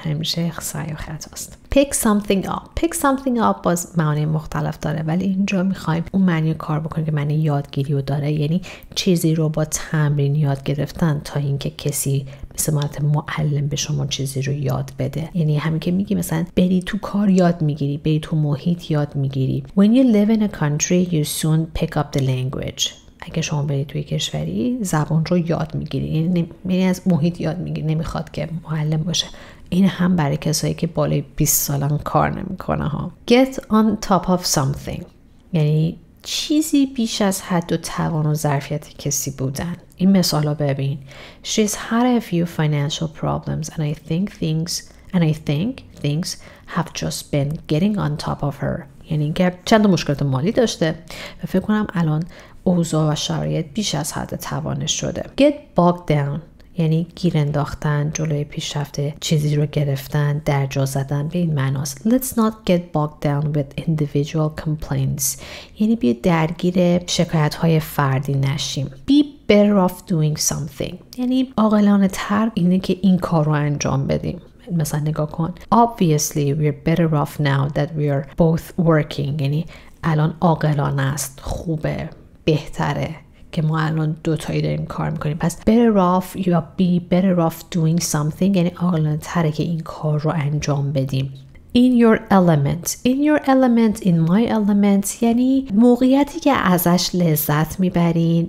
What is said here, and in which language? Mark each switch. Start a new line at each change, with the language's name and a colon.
Persian: همیشه سعی و خطا است.
English: Pick something up. Pick something up
Persian: باز معنی مختلف داره. ولی اینجا میخواییم اون معنی کار بکنیم که معنی یادگیری رو داره. یعنی چیزی رو با تمرین یاد گرفتن تا اینکه کسی مثل مالت معلم به شما چیزی رو یاد بده. یعنی همین که میگی مثلا بری تو کار یاد میگیری، بری تو محیط یاد میگیری.
English: When you live in a country, you soon pick up the language.
Persian: اگه شما برید توی کشوری زبان رو یاد میگیری، یعنی از محیط یاد میگیری، نمیخواد که معلم باشه. این هم برای کسایی که بالای 20 سالان کار نمیکنه ها.
English: Get on top of something
Persian: یعنی چیزی بیش از حد و توان و ظرفیت کسی بودن. این مثالا ببین.
English: She's had a few financial problems and I think things have just been getting on top of her.
Persian: یعنی که چند مشکلات مالی داشته و فکر کنم الان اوضاع و شرایط بیش از حد توانش شده.
English: Get bogged down
Persian: یعنی گیر انداختن، جلوی پیشرفته چیزی رو گرفتن، درجا زدن به این معناست.
English: Let's not get bogged down with individual complaints.
Persian: یعنی بیا درگیر شکایت های فردی نشیم.
English: Be better off doing something.
Persian: یعنی عاقلانه تر اینه که این کار رو انجام بدیم. مثلا نگاه کن.
English: Obviously we're better off now that we're both working.
Persian: یعنی الان عاقلانه است. خوبه. بهتره. که ما الان دوتایی داریم کار میکنیم. پس better off یا
English: be better off doing something
Persian: یعنی عاقلانه تره که این کار رو انجام بدیم.
English: In your element. In your element, in my element
Persian: یعنی موقعیتی که ازش لذت میبرین.